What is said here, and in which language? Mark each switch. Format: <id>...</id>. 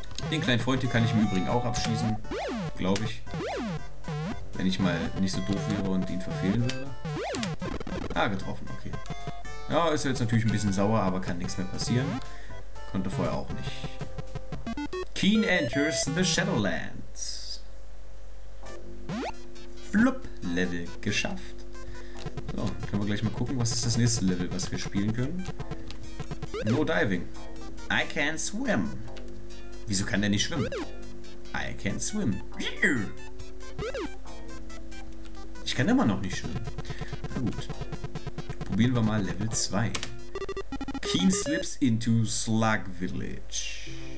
<de>Den kleinen Freund hier kann ich im Übrigen auch abschießen, glaube ich. Wenn ich mal nicht so doof wäre und ihn verfehlen würde. Ah, getroffen, okay. Ja, ist jetzt natürlich ein bisschen sauer, aber kann nichts mehr passieren. Konnte vorher auch nicht.</de> <en>Keen enters the Shadowlands.</en> <de>Flup, Level geschafft. So, können wir gleich mal gucken, was ist das nächste Level, was wir spielen können.</de> <en>No diving. I can swim.</en> <de>Wieso kann der nicht schwimmen?</de> <en>I can swim.</en> <de>Ich kann immer noch nicht schwimmen. Na gut. Probieren wir mal Level 2.</de> <en>Keen slips into Slug Village.</en>